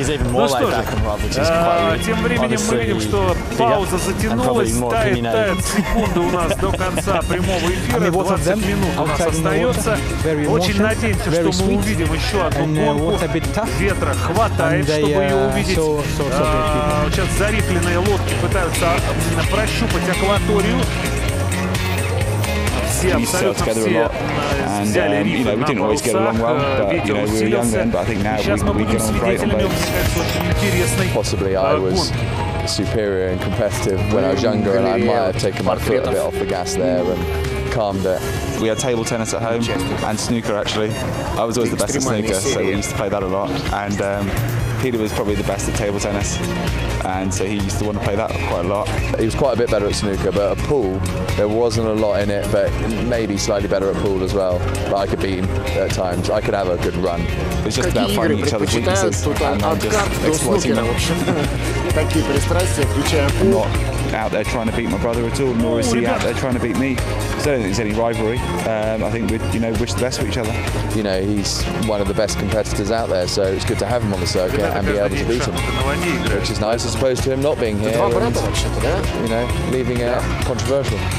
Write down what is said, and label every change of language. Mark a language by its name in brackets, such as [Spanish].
[Russian] Ну что же, тем временем мы видим, что пауза затянулась, тает секунда у нас до конца прямого эфира, 20 минут у нас остается. Очень надеемся, что мы увидим еще одну гонку. Ветра хватает, чтобы ее увидеть. Сейчас зарифленные лодки пытаются прощупать акваторию. [English] We sailed together a lot, and you know, we didn't always get along well, but you know, we were younger, but I think now we get on great on boats. Possibly I was superior and competitive when I was younger, and I might have taken my foot a bit off the gas there and calmed it. We had table tennis at home, and snooker actually. I was always the best at snooker, so we used to play that a lot, and Peter was probably the best at table tennis, and so he used to want to play that quite a lot. He was quite a bit better at snooker, but a pool, there wasn't a lot in it, but maybe slightly better at pool as well. But I could beat him at times. I could have a good run. It's just about finding each other's weaknesses and then just exploiting them. [Russian] Какие пристрастия, включая пул? [English] out there trying to beat my brother at all, nor is he out there trying to beat me. So I don't think there's any rivalry. I think we'd, you know, wish the best for each other. You know, he's one of the best competitors out there, so it's good to have him on the circuit and be able to beat him, which is nice, as opposed to him not being here and, you know, leaving it controversial.